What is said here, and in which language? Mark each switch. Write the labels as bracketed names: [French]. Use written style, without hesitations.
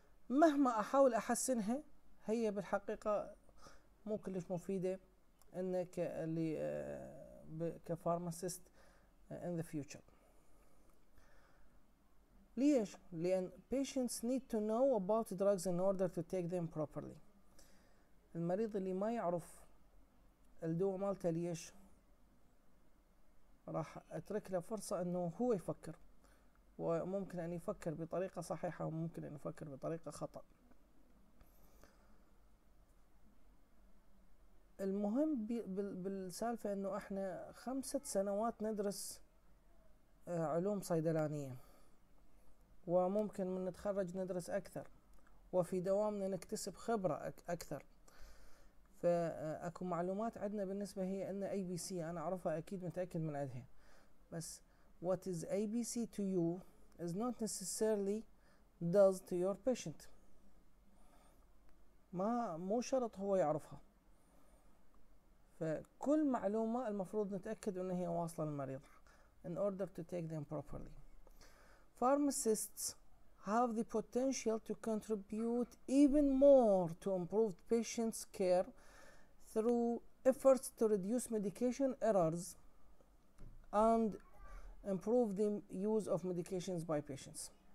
[Arabic] مهما أحاول أحسنها هي بالحقيقة مو كلش مفيدة إنك اللي كفارماسيست [English] in the future. [Arabic] ليش؟ لأن [English] patients need to know about drugs in order to take them properly. [Arabic] المريض اللي ما يعرف الدواء مالته ليش، راح أترك له فرصة أنه هو يفكر، وممكن أن يفكر بطريقة صحيحة وممكن أن يفكر بطريقة خطأ. المهم بالسالفة أنه إحنا 5 سنوات ندرس علوم صيدلانية، وممكن من نتخرج ندرس أكثر، وفي دوامنا نكتسب خبرة أكثر. فأكو معلومات عندنا بالنسبة هي أن ABC أنا أعرفها أكيد متأكد من عندها، بس [English] what is ABC to you is not necessarily does to your patient. [Arabic] ما مو شرط هو يعرفها. فكل معلومة المفروض نتأكد أن هي واصلة للمريض [English] in order to take them properly. Pharmacists have the potential to contribute even more to improved patients' care through efforts to reduce medication errors and improve the use of medications by patients.